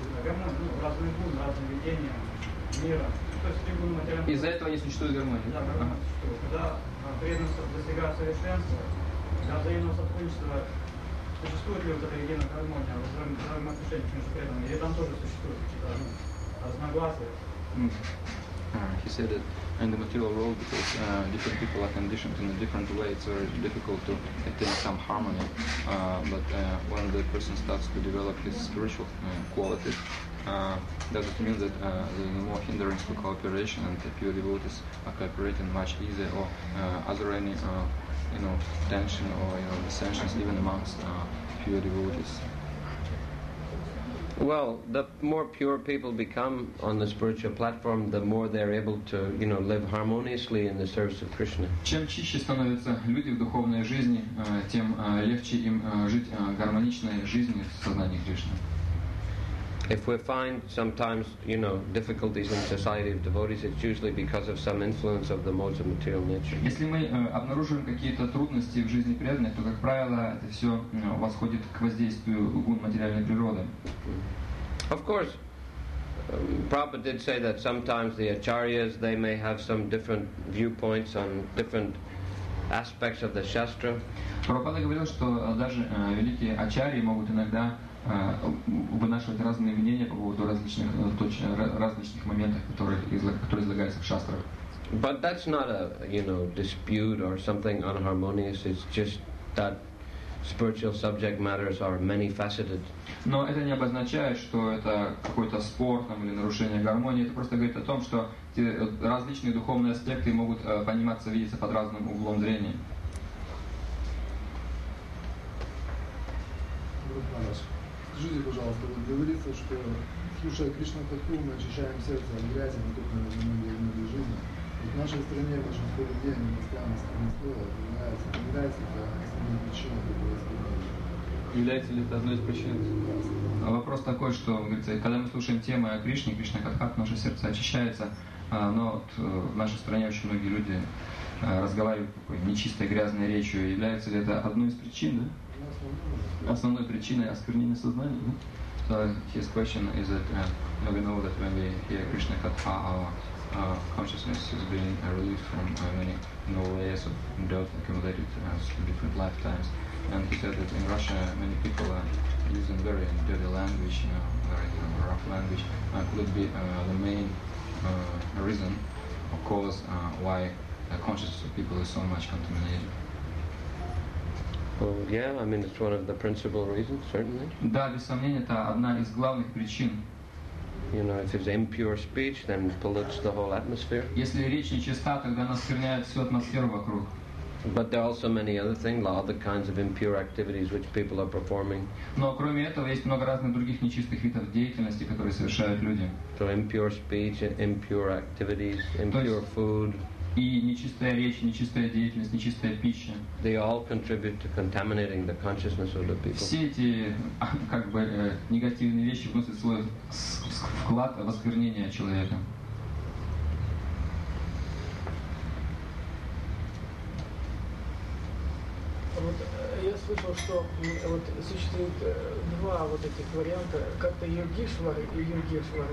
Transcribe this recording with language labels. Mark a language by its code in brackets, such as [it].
[ru] Гармония, ну, разные гун, разные видения мира. То есть, из-за этого не существует гармония? Да, гармония существует. Когда преданность достигает совершенства, для взаимного сотрудничества существует ли вот эта единая гармония во взаимоотношениях между преданными, или там тоже существуют какие-то разногласия? [en] He said that in the material world, because different people are conditioned in a different way, it's very difficult to attain some harmony. But when the person starts to develop his spiritual qualities, does it mean that there is more hindrance to cooperation and the pure devotees are cooperating much easier? Or are there any tension or dissensions even amongst pure devotees? Well, the more pure people become on the spiritual platform, the more they're able to, you know, live harmoniously in the service of Krishna. [ru] Чем чище становятся люди в духовной жизни, тем легче им жить гармоничной жизнью в сознании Кришны. [en] If we find sometimes, you know, difficulties in society of devotees, it's usually because of some influence of the modes of material nature. [ru] Если мы обнаруживаем какие-то трудности в жизни преданных, то, как правило, это все восходит к воздействию гун материальной природы. [en] Of course, Prabhupada did say that sometimes the acharyas, they may have some different viewpoints on different aspects of the shastra. [ru] Prabhupada говорил, что даже великие ачарьи могут иногда вынашивать разные мнения по поводу различных различных моментов, которые излагаются в шастрах. [en] But that's not a, you know, dispute or something unharmonious. It's just that spiritual subject matters are many-faceted. [ru] Но это не обозначает, что это какой-то спор там, или нарушение гармонии. Это просто говорит о том, что те различные духовные аспекты могут пониматься, видеться под разным углом зрения. Скажите, пожалуйста, вот говорится, что слушая Кришна Катху, мы очищаем сердце от грязи, не только на земле и жизни. Вот в нашей стране большинство людей, они постоянно стремятся, является ли это основной причиной такого испытания? Является ли это одной из причин? Да. Вопрос такой, что, говорится, когда мы слушаем темы о Кришне, Кришна Катха, наше сердце очищается, но вот в нашей стране очень многие люди разговаривают такой нечистой, грязной речью. Является ли это одной из причин, да? Основной причиной осквернения сознания. [en] So his question is that we know that when we hear Krishna Katha, our consciousness is being released from many layers of dirt accumulated through different lifetimes. And he said that in Russia many people are using very dirty language, you know, very rough language. Could it be the main reason or cause why the consciousness of people is so much contaminated? Well, yeah, I mean, it's one of the principal reasons, certainly. [ru] Да, без сомнения, это одна из главных причин. [en] You know, if it's impure speech, then it pollutes the whole atmosphere. [ru] Если речь нечиста, тогда она оскверняет всю атмосферу вокруг. [en] But there are also many other things, like other kinds of impure activities which people are performing. [ru] Но кроме этого есть много разных других нечистых видов деятельности, которые совершают люди. [en] So impure speech, impure activities, impure food. [ru] И нечистая речь, нечистая деятельность, нечистая пища. [en] They all contribute to contaminating the consciousness of the people. [ru] Все эти как бы негативные вещи вносят свой вклад в осквернение человека. Вот я слышал, что вот существует два вот этих варианта, как-то Йогишвар и Йогишвар.